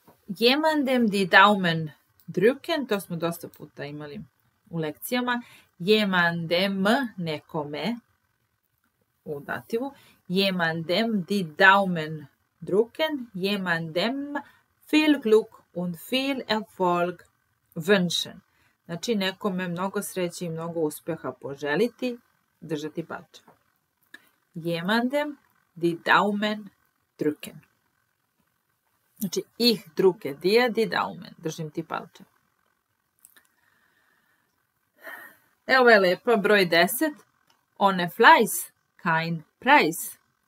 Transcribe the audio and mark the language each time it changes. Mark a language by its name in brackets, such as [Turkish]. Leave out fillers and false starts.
[German] Jemandem die Daumen drücken, [Serbian] to smo dosta puta imali u lekcijama. Jemandem, nekome, u dativu. [German] Jemandem die Daumen drücken, jemandem viel Glück und viel Erfolg wünschen. [Serbian] Znači, nekome mnogo sreće i mnogo uspeha poželiti, držati palče. [German] Jemandem die Daumen drücken. [Serbian] Znači, [German] ich drücke dir die Daumen, [Serbian] držim ti palče. Evo je lepa, broj 10. [German] Ohne Fleiß kein Preis.